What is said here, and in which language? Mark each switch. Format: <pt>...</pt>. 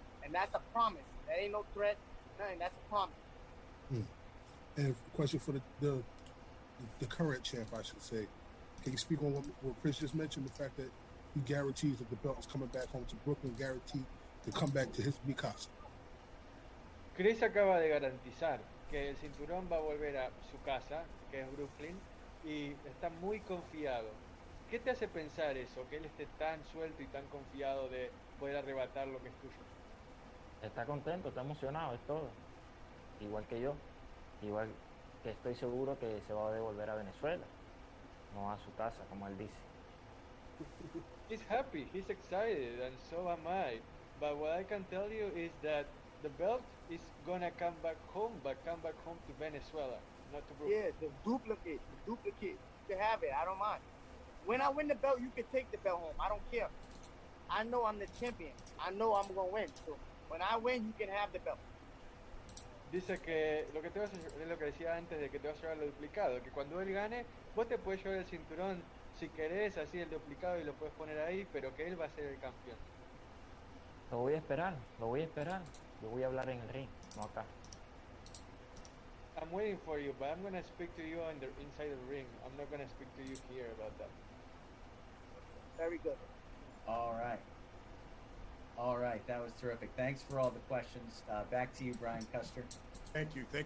<en>And that's a promise. That ain't no threat, nothing. That's a promise. And a question for the current champ, I should say. Can you speak on what Chris just mentioned, the fact that he guarantees that the belt is coming back home to Brooklyn, guaranteed to come back to his</en> <es>Mi casa? Chris acaba de garantizar que el cinturón va a volver a su casa, que es Brooklyn, y está muy confiado. ¿Qué te hace pensar eso, que él esté tan suelto y tan confiado de poder arrebatar lo que es tuyo? Está contento, está emocionado, es todo. Igual que yo. Igual que estoy seguro que se va a devolver a Venezuela, no a su casa, como él dice.</es> <en>He's happy, he's excited, and so am I. But what I can tell you is that the belt is gonna come back home, but come back home to Venezuela, not to Brooklyn. Yeah, the duplicate, you can have it, I don't mind. When I win the belt, you can take the belt home, I don't care. I know I'm the champion, I know I'm gonna win, so when I win, you can have the belt.</en> <es>Dice que lo que te vas a llevar, es lo que decía antes, de que te vas a llevar lo duplicado, que cuando él gane, vos te puedes llevar el cinturón si querés, así el duplicado, y lo puedes poner ahí, pero que él va a ser el campeón. Lo voy a esperar. Yo voy a hablar en el ring, no acá.</es> <en>I'm waiting for you, but I'm going to speak to you on the inside of the ring. I'm not going to speak to you here about that. Very good. All right. That was terrific. Thanks for all the questions. Back to you, Brian Custer. Thank you.</en>